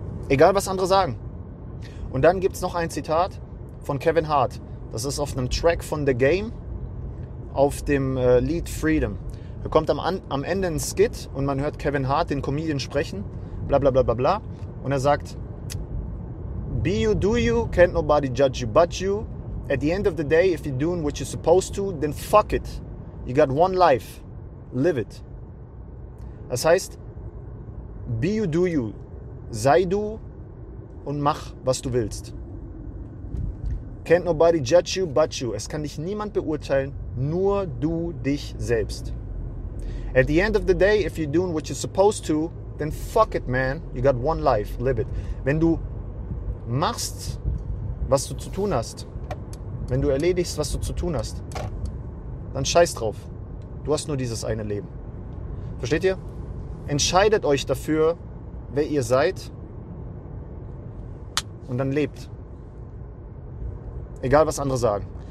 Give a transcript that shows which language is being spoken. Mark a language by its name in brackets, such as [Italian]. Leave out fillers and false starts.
[German] Egal, was andere sagen. Und dann gibt es noch ein Zitat von Kevin Hart. Das ist auf einem Track von The Game, auf dem Lied Freedom. Er kommt am Ende ein Skit und man hört Kevin Hart, den Comedian, sprechen. Bla, bla, bla, bla, bla. Und er sagt, [English] be you, do you, can't nobody judge you but you. At the end of the day, if you're doing what you're supposed to, then fuck it. You got one life. Live it. [German] Das heißt, [English] be you, do you. [German] Sei du und mach, was du willst. [English] Can't nobody judge you but you. [German] Es kann dich niemand beurteilen, nur du dich selbst. [English] At the end of the day, if you're doing what you're supposed to, then fuck it, man. You got one life. Live it. [German] Wenn du machst, was du zu tun hast, wenn du erledigst, was du zu tun hast, dann scheiß drauf. Du hast nur dieses eine Leben. Versteht ihr? Entscheidet euch dafür, wer ihr seid, und dann lebt. Egal, was andere sagen.